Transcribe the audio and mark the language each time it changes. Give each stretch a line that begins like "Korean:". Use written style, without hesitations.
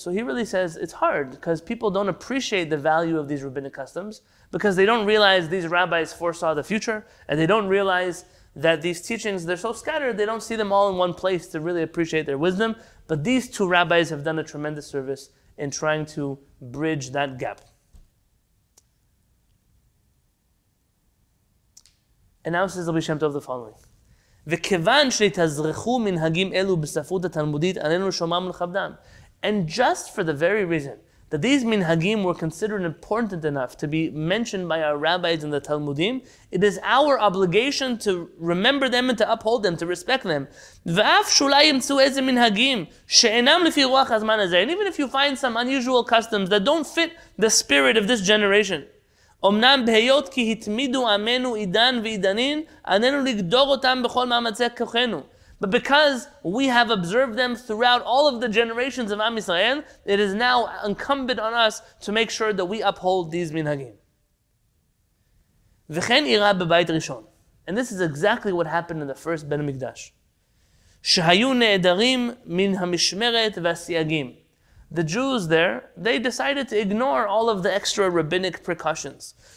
English: So he really says it's hard because people don't appreciate the value of these rabbinic customs because they don't realize these rabbis foresaw the future and they don't realize that these teachings, they're so scattered, they don't see them all in one place to really appreciate their wisdom. But these two rabbis have done a tremendous service in trying to bridge that gap. And now says Rabbi Shem Tov the following.
Hebrew: וכיוון שהתאזרחו מנהגים אלו בספרות התלמודית עלינו שומם ולכבדם.
English: And just for the very reason that these minhagim were considered important enough to be mentioned by our rabbis in the Talmudim, it is our obligation to remember them and to uphold them, to respect them.
Hebrew: ואף שאולי ימצאו איזה מנהגים שאינם לפי רוח הזמן הזה.
English: And even if you find some unusual customs that don't fit the spirit of this generation,
Hebrew: אמנם בהיות כי התמידו עמנו עידן ועידנין, עננו לגדור אותם בכל מאמצי כוחנו.
English: But because we have observed them throughout all of the generations of Am Yisrael, it is now incumbent on us to make sure that we uphold these minhagim.
Hebrew: וכן אירה בבית ראשון.
English: And this is exactly what happened in the first Ben Mikdash.
Hebrew: שהיו נעדרים מן המשמרת והסייגים.
English: The Jews there, they decided to ignore all of the extra rabbinic precautions.